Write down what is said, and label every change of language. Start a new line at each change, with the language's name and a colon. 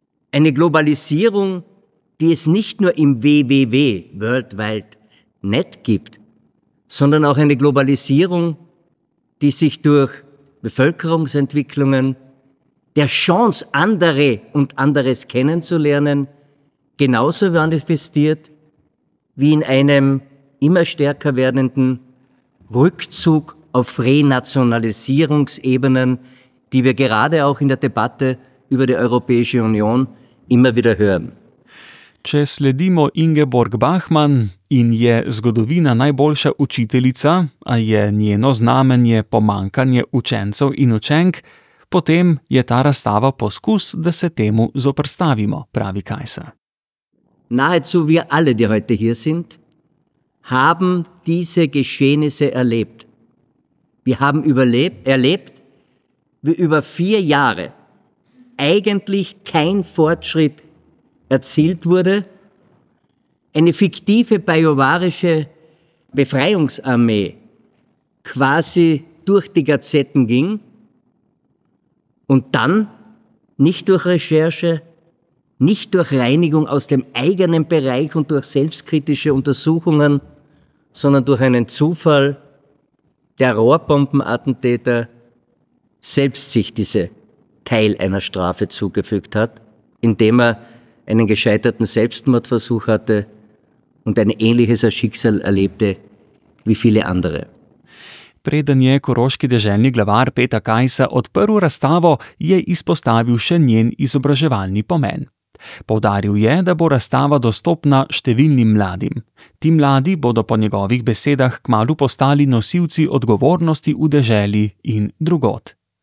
German: Eine Globalisierung, die es nicht nur im WWW, World Wide Net, gibt, sondern auch eine Globalisierung, die sich durch Bevölkerungsentwicklungen, der Chance, andere und anderes kennenzulernen, genauso manifestiert wie in einem immer stärker werdenden Rückzug auf Renationalisierungsebenen, die wir gerade auch in der Debatte über die Europäische Union immer wieder hören.
Slovenian: Če sledimo Ingeborg Bachmann in je zgodovina najboljša učiteljica, a je njeno znamenje pomankanje učencev in učenk, potem je ta razstava poskus, da se temu zoprstavimo, pravi Kajsa.
German: Nahezu wir alle, die heute hier sind, haben diese Geschehnisse erlebt. Wir haben erlebt, wie über 4 Jahre eigentlich kein Fortschritt erzielt wurde. Eine fiktive bajuwarische Befreiungsarmee quasi durch die Gazetten ging und dann nicht durch Recherche, nicht durch Reinigung aus dem eigenen Bereich und durch selbstkritische Untersuchungen, sondern durch einen Zufall der Rohrbombenattentäter selbst sich diese Teil einer Strafe zugefügt hat, indem er einen gescheiterten Selbstmordversuch hatte und ein ähnliches Schicksal erlebte wie viele andere.
Slovenian: Preden je koroški deželni glavar Peter Kajsa odprl razstavo, je izpostavil še njen izobraževalni pomen. Poudaril je, da bo razstava dostopna številnim mladim. Ti mladi bodo po njegovih besedah kmalu postali nosilci odgovornosti v deželi in drugod.